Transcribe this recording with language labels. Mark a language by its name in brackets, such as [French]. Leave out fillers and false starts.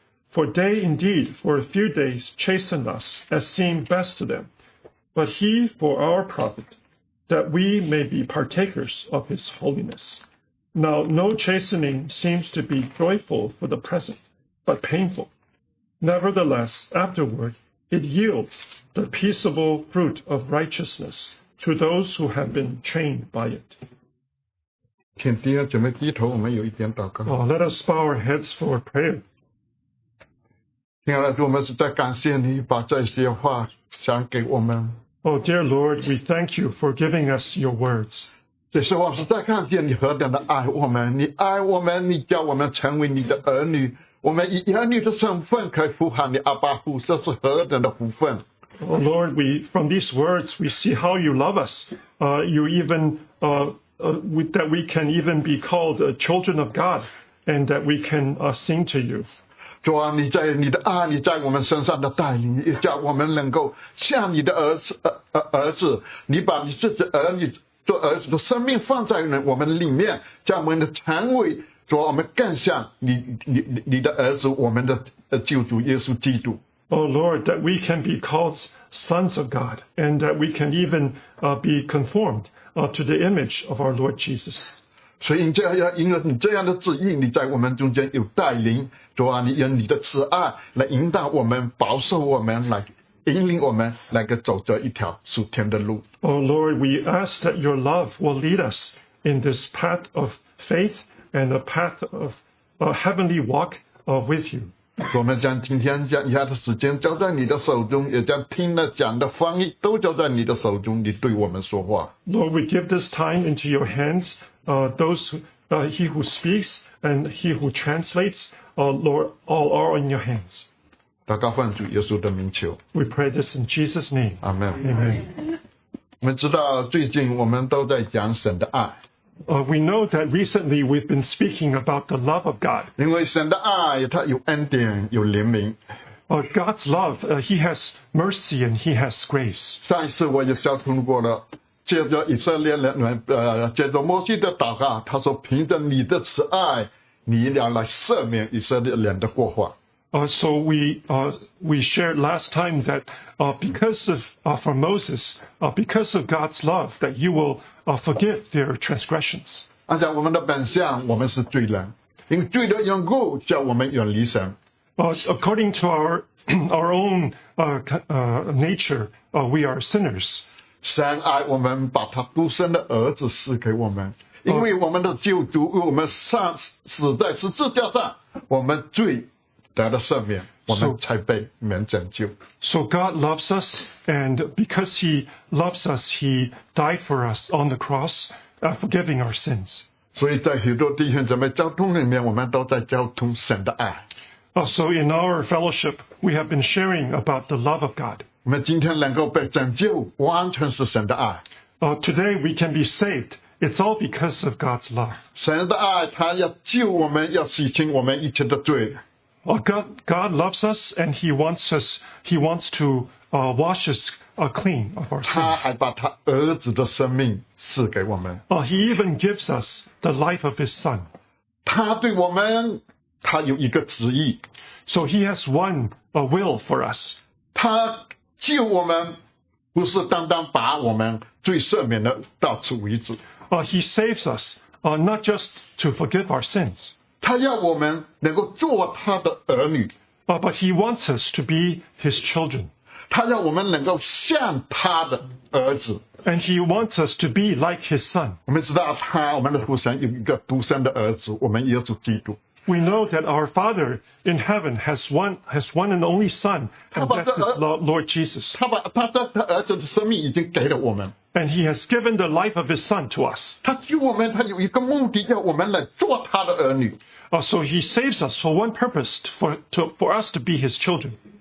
[English] For they indeed for a few days chastened us as seemed best to them, but he for our profit, that we may be partakers of his holiness. Now, no chastening seems to be joyful for the present, but painful. Nevertheless, afterward, it yields the peaceable fruit of righteousness to those who have been trained by it. [Chinese] 请弟兄姐妹低头，我们有一点祷告。 [English] Let us bow our heads for prayer. [Chinese] 亲爱的主，我们实在感谢你把这些话讲给我们。 [English] Oh, dear Lord, we thank you for giving us your words. [Chinese] 这是我实在看见你何等的爱我们，你爱我们，你叫我们成为你的儿女，我们以儿女的身份可以呼喊你阿爸父，这是何等的福分。 [English] Oh Lord, we from these words we see how you love us. That we can even be called children of God, and that we can sing to you. [Chinese] 主啊，你在你的爱，你在我们身上的带领，也叫我们能够像你的儿子，你把你自己儿女。做儿子的生命放在我们里面，叫我们的成为主，我们更像你的儿子，我们的救主耶稣基督。 [English] O Lord, that we can be called sons of God, and that we can even be conformed to the image of our Lord Jesus. [Chinese] 所以因着你这样的旨意，你在我们中间有带领，主啊，你用你的慈爱来引导我们，保守我们，来引领我们，来走着一条属天的路。 [English] O Lord, we ask that your love will lead us in this path of faith and a path of a heavenly walk with you. [Chinese] 我们将今天讲下的时间交在你的手中，也将听了讲的翻译都交在你的手中，你对我们说话。 [English] Lord, we give this time into your hands. He who speaks and he who translates, Lord, all are in your hands. [Chinese] 祷告奉主耶稣的名求。 [English] We pray this in Jesus' name. Amen. Amen. [Chinese] 我们知道最近我们都在讲神的爱。 [English] We know that recently we've been speaking about the love of God. [Chinese] 因为神的爱它有恩典有怜悯。 [English] God's love, he has mercy and he has grace. [Chinese] 上一次我也交通过了。借着以色列人，借着摩西的祷告，他说：“凭着你的慈爱，你要来赦免以色列人的过犯。” [English] So we shared last time that for Moses, because of God's love, that you will forgive their transgressions. [Chinese] 按照我们的本相，我们是罪人，因为罪的缘故，叫我们远离神。 [English] According to our own nature, we are sinners. [Chinese] 神爱我们，把他独生的儿子赐给我们，因为我们的救主为我们上死在十字架上，我们罪得了赦免，我们才被免拯救。 [English] So God loves us, and because He loves us, He died for us on the cross, forgiving our sins. [Chinese] 所以在许多弟兄姊妹交通里面，我们都在交通神的爱。 [English] So in our fellowship, we have been sharing about the love of God. [Chinese] 我们今天能够被拯救，完全是神的爱。 [English] Today we can be saved. It's all because of God's love. [Chinese] 神的爱，他要救我们，要洗清我们一切的罪。 [English] God loves us and He wants to wash us clean of our sins. [Chinese] 他还把他儿子的生命赐给我们。 [English] He even gives us the life of His Son. [Chinese] 他对我们，他有一个旨意。 [English] So He has one will for us. [Chinese] 他救我们不是单单把我们罪赦免的到此为止。 [English] He saves us, not just to forgive our sins. [Chinese] 他要我们能够做他的儿女。 [English] But he wants us to be his children. [Chinese] 他要我们能够像他的儿子。 [English] And he wants us to be like his son. [Chinese] 我们知道他，我们的父神有一个独生的儿子，我们耶稣基督。 [English] We know that our Father in heaven has one and only Son, and that's his Lord Jesus. And he has given the life of his Son to us. So he saves us for one purpose, for us to be his children.